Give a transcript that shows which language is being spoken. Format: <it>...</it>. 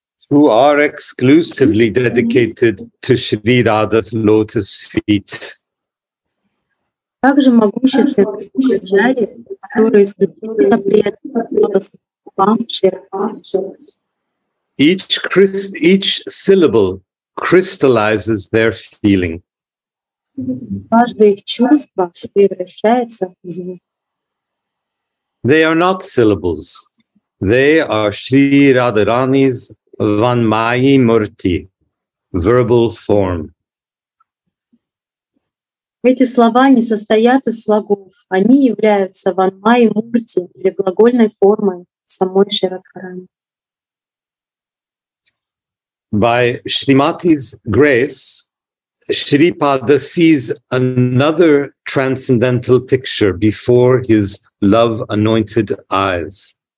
<en>Who are exclusively dedicated to Shri Radha's lotus feet.</en> <ru>Как же могущественны ачарьи, которые исключительно приятны.</ru> <en>Each syllable crystallizes their feeling.</en> <ru>Каждое их чувство превращается в звук.</ru> <en>They are not syllables. They are Shri Radharani's Vanmayi Murti, verbal form.</en> <ru>Эти слова не состоят из слогов. Они являются Vanmayi Murti или глагольной формой самой Шри Радхарани.</ru> <en>By Shrimati's grace, Shripada sees another transcendental picture before his love-anointed eyes.</en>